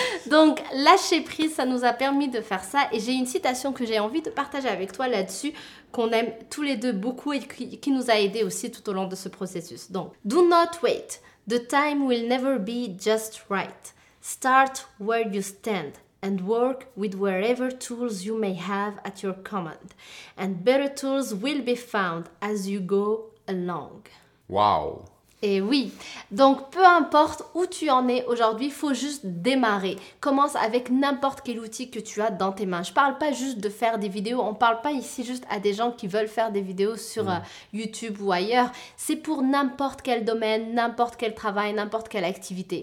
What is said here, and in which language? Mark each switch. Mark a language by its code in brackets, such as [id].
[fr] Donc, lâcher prise, ça nous a permis de faire ça. Et j'ai une citation que j'ai envie de partager avec toi là-dessus, qu'on aime tous les deux beaucoup et qui nous a aidé aussi tout au long de ce processus. [en] Donc, do not wait. The time will never be just right. Start where you stand and work with whatever tools you may have at your command. And better tools will be found as you go along. Wow! [fr] Et oui, donc peu importe où tu en es aujourd'hui, il faut juste démarrer. Commence avec n'importe quel outil que tu as dans tes mains. Je ne parle pas juste de faire des vidéos, on ne parle pas ici juste à des gens qui veulent faire des vidéos sur YouTube ou ailleurs. C'est pour n'importe quel domaine, n'importe quel travail, n'importe quelle activité.